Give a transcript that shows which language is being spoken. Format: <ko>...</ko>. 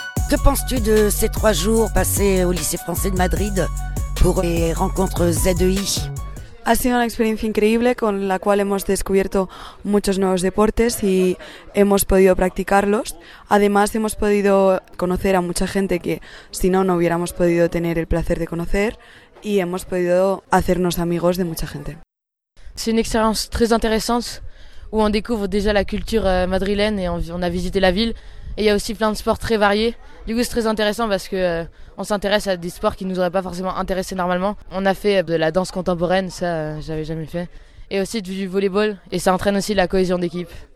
<fr>Que penses-tu de ces 3 jours passés au lycée français de Madrid pour les rencontres ZEI?</fr> <es>Ha sido una experiencia increíble con la cual hemos descubierto muchos nuevos deportes y hemos podido practicarlos. Además, hemos podido conocer a mucha gente que si no, no hubiéramos podido tener el placer de conocer y hemos podido hacernos amigos de mucha gente.</es> <fr>C'est une expérience très intéressante où on découvre déjà la culture madrilène et on a visité la ville. Et il y a aussi plein de sports très variés. Du coup, c'est très intéressant parce que on s'intéresse à des sports qui ne nous auraient pas forcément intéressés normalement. On a fait de la danse contemporaine, ça, j'avais jamais fait. Et aussi du volleyball, et ça entraîne aussi la cohésion d'équipe.</fr>